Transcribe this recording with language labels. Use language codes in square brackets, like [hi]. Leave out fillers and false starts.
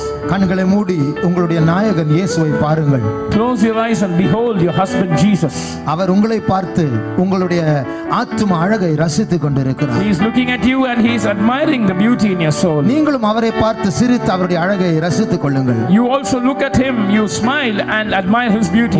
[ta] கண்களை மூடி உங்களுடைய நாயகன் இயேசுவை பாருங்கள் [en] close your eyes and behold your husband jesus [ta] அவர் உங்களை பார்த்து உங்களுடைய ஆத்தும அழகை ரசித்துக் கொண்டிருக்கிறார் [en] he is looking at you and he is admiring the beauty in your soul [ta] நீங்களும் அவரை பார்த்து சிரித்து அவருடைய அழகை ரசித்துக் கொள்ளுங்கள் [en] you also look at him you smile and admire his beauty